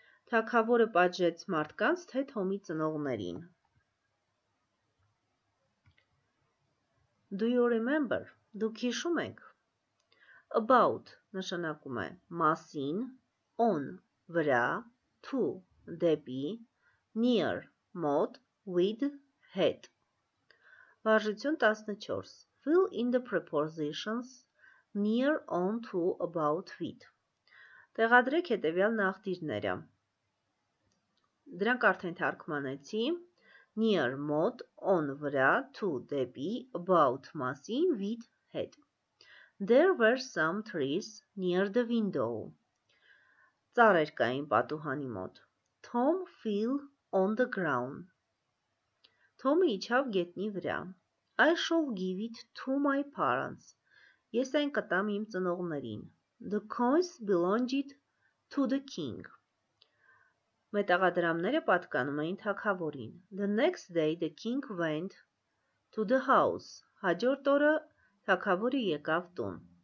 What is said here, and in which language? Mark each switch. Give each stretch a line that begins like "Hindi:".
Armenian: Թագավորը պատժեց մարդկանց թե Թոմի ծնողներին։
English: Do you remember?
Armenian: Դուք հիշում եք։ About նշանակում է մասին, on վրա, to դեպի, near մոտ, with հետ։ Վարժություն 14.
English: Fill in the prepositions near, on, to, about, with.
Armenian: Տեղադրեք հետևյալ նախտիրները։ Դրանք արդեն թարգմանեցի.
English: Near մոտ, on վրա, to դեպի, about մասին, with հետ. There were some trees near the window.
Armenian: Ծառեր կային պատուհանի մոտ.
English: Tom fell on the ground.
Armenian: Tom-ը իջավ գետնի վրա.
English: I shall give it to my parents.
Armenian: Ես այն կտամ իմ ծնողներին.
English: The coins belonged to the king.
Armenian: Մետաղադրամները պատկանում էին թագավորին.
English: The next day the king went to the house.
Armenian: Հաջորդ օրը թագավորը եկավ տուն.